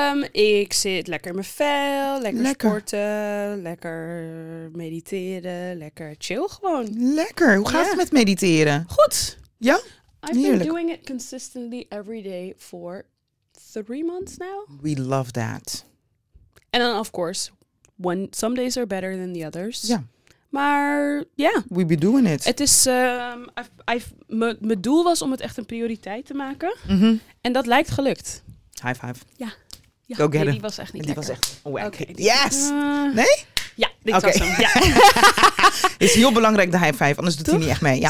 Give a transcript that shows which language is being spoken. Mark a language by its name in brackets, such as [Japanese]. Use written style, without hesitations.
[Dutch] Ik zit lekker in mijn vel. Lekker sporten. Lekker mediteren. Lekker chill gewoon. Lekker. Hoe gaat het met mediteren? Goed. Ja? [English] I've been doing it consistently every day for 3 months now. We love that. And then, of course, when some days are better than the others. Yeah. [Dutch] Maar, yeah. [English] We be doing it. [Dutch] Het is, mijn doel was om het echt een prioriteit te maken. Mm-hmm. En dat lijkt gelukt. [English] High five. [Dutch] Ja. Ja. [English] Go get it. [Dutch] Die was echt niet die lekker. Was echt wack. Okay. Yes! Nee? Ja, dit was hem. Ja. Is heel belangrijk, de high five. Anders doet hij niet echt mee. Ja,